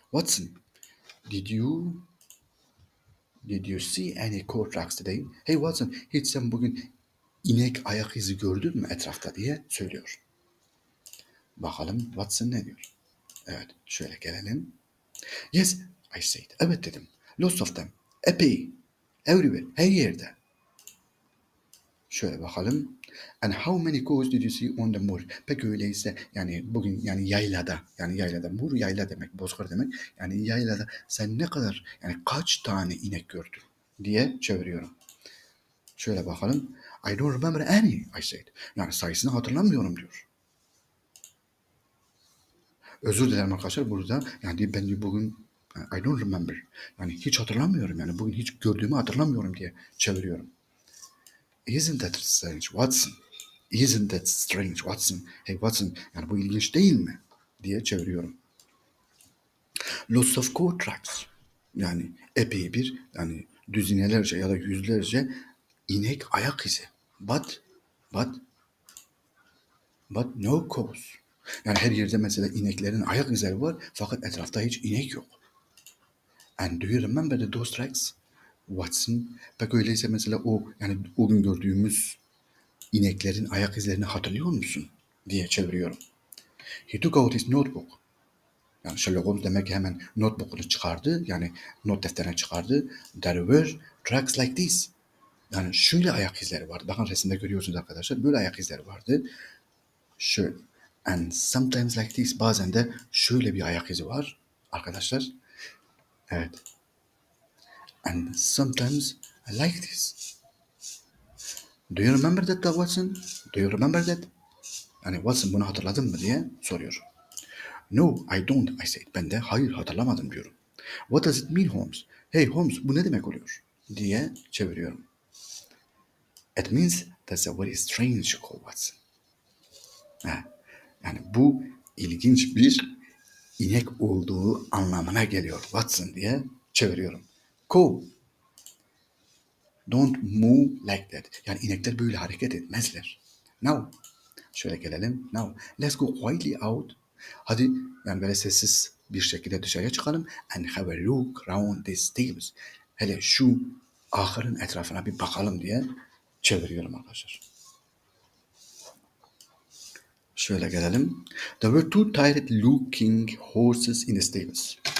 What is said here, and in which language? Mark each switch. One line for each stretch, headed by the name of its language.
English: Watson, did you see any court rocks today?
Turkish: Hey Watson, hiç sen bugün inek ayak izi gördün mü etrafta diye söylüyor. Bakalım Watson ne diyor? Evet, şöyle gelelim.
English: Yes, I said.
Turkish: Evet dedim.
English: Lots of them.
Turkish: Epey.
English: Everywhere.
Turkish: Her yerde. Şöyle bakalım.
English: And how many cows did you see on the moor?
Turkish: Peki öyleyse yani bugün yani yaylada yani yaylada moor yayla demek, bozkır demek. Yani yaylada sen ne kadar yani kaç tane inek gördün diye çeviriyorum. Şöyle bakalım.
English: I don't remember any, I said.
Turkish: Yani sayısını hatırlamıyorum diyor. Özür dilerim arkadaşlar burada yani ben bugün
English: I don't remember
Turkish: yani hiç hatırlamıyorum yani bugün hiç gördüğümü hatırlamıyorum diye çeviriyorum.
English: Isn't that strange, Watson? Isn't that strange, Watson?
Turkish: Hey Watson, yani bu ilginç değil mi? Diye çeviriyorum.
English: Lots of court tracks.
Turkish: Yani epey bir yani düzinelerce ya da yüzlerce inek ayak izi.
English: But no cows.
Turkish: Yani her yerde mesela ineklerin ayak izleri var fakat etrafta hiç inek yok.
English: And do you remember the those tracks, Watson?
Turkish: Peki öyleyse mesela o yani o gün gördüğümüz ineklerin ayak izlerini hatırlıyor musun? Diye çeviriyorum.
English: He took out his notebook.
Turkish: Yani Sherlock Holmes demek ki hemen notebook'unu çıkardı. Yani not defterine çıkardı.
English: There were tracks like this.
Turkish: Yani şöyle ayak izleri vardı. Bakın resimde görüyorsunuz arkadaşlar. Böyle ayak izleri vardı. Şöyle.
English: And sometimes like this.
Turkish: Bazen de şöyle bir ayak izi var arkadaşlar.
English: Evet. And sometimes like this. Do you remember that, Watson? Do you remember that?
Turkish: Yani Watson bunu hatırladın mı diye soruyor.
English: No, I don't, I said.
Turkish: Ben de hayır hatırlamadım diyorum.
English: What does it mean, Holmes?
Turkish: Hey Holmes, bu ne demek oluyor? Diye çeviriyorum.
English: It means that's a very strange call, Watson. Ha.
Turkish: Yani bu ilginç bir inek olduğu anlamına geliyor, Watson diye çeviriyorum.
English: Cow. Don't move like that.
Turkish: Yani inekler böyle hareket etmezler.
English: Now.
Turkish: Şöyle gelelim. Now.
English: Let's go quietly out.
Turkish: Hadi yani böyle sessiz bir şekilde dışarıya çıkalım.
English: And have a look around the stables.
Turkish: Hele şu ahırın etrafına bir bakalım diye çeviriyorum arkadaşlar. Şöyle gelelim.
English: There were two tired looking horses in the stables.